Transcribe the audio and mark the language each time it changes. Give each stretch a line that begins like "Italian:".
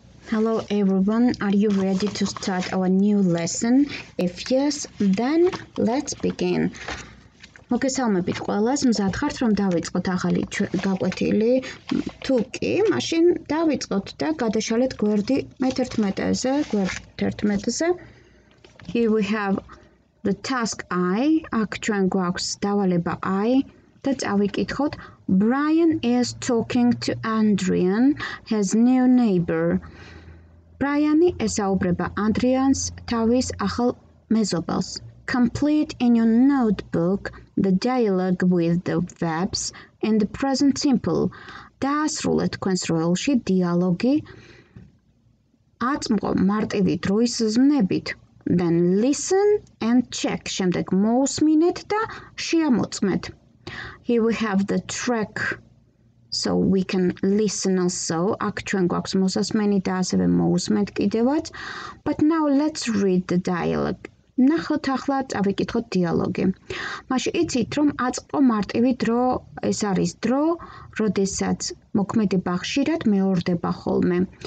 English: Hello everyone, are you ready to start our new lesson? If yes, then let's begin.
Georgian: Მოგესალმებით ყველას, მზადხართ რომ დავიწყოთ ახალი გაკვეთილი. თუ კი, მაშინ დავიწყოთ და გადაშალეთ გვერდი მე11-ზე, გვერდ 11-ზე.
English: Here we have the task I.
Georgian: აქ ჩვენ გვაქვს დავალება I და წავიკითხოთ.
English: Brian is talking to Adrian, his new neighbor.
Georgian: Brian-ი ესაუბრება Adrian-ს, თავის ახალ მეზობელს.
English: Complete in your notebook the dialogue with the verbs in the present simple.
Georgian: დაასრულეთ თქვენს როლში დიალოგი აწმყო მარტივი დროის ზმნებით.
English: Then listen and check.
Georgian: შემდეგ მოუსმინეთ და შეამოწმეთ.
English: Here we have the track, so we can listen also.
Georgian: აქ ჩვენ გვაქვს მოსასმენი და ასევე მოუსმენთ კიდევაც.
English: But now let's read the dialogue.
Georgian: ნახოთ ახლა, წავიკითხოთ დიალოგი. მაშინ იცით, რომ აწყო მარტივი დრო, ეს არის დრო, როდესაც მოქმედება ხშირად მეორდება ხოლმე.